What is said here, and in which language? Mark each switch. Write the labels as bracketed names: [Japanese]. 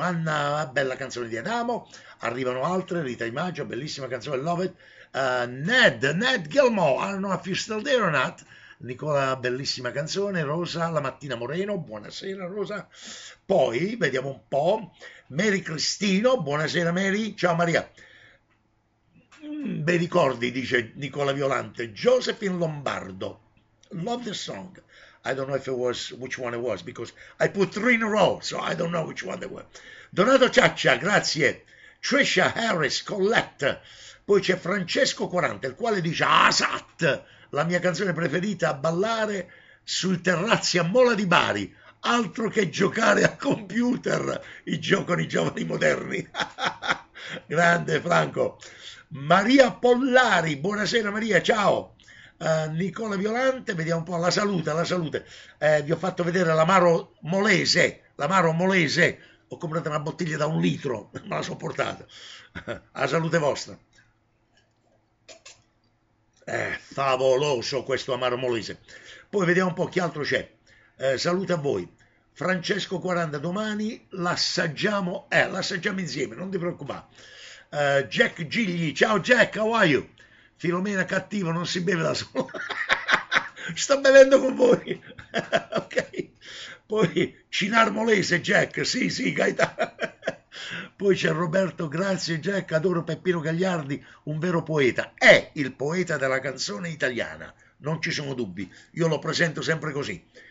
[Italian] Anna, bella canzone di Adamo. Arrivano altre, Rita Imaggio, bellissima canzone, [English] love it. Ned Gilmore, I don't know if you're still there or not. [Italian] Nicola, bellissima canzone. Rosa, La Mattina Moreno, buonasera Rosa. Poi, vediamo un po', Mary Cristino, buonasera Mary, ciao Maria. Bei ricordi, dice Nicola Violante. Josephine Lombardo, [English] love the song. I don't know if it was which one it was because I put three in a row, so I don't know which one they were. [Italian] Donato Ciaccia, grazie. Trisha Harris, Colette. Poi c'è Francesco 40, il quale dice Asat, la mia canzone preferita, a ballare sul terrazzi a Mola di Bari. Altro che giocare a computer, i giocano i giovani moderni. Grande Franco. Maria Pollari, buonasera Maria, ciao. Nicola Violante, vediamo un po' la salute, vi ho fatto vedere l'Amaro Molese, l'Amaro Molese, ho comprato una bottiglia da 1 litro, me la sono portata, a salute vostra. Favoloso questo Amaro Molese. Poi vediamo un po' chi altro c'è. Salute a voi. Francesco 40, domani l'assaggiamo, l'assaggiamo insieme, non ti preoccupare. [English] Jack Gigli, [Italian] ciao [English] Jack, how are you? [Italian] Filomena cattiva, non si beve da sola. Sto bevendo con voi. Ok. Poi Cinar Molese, Jack, sì, Gaeta. Poi c'è Roberto, grazie Jack, adoro Peppino Gagliardi, un vero poeta. È il poeta della canzone italiana, non ci sono dubbi, io lo presento sempre così.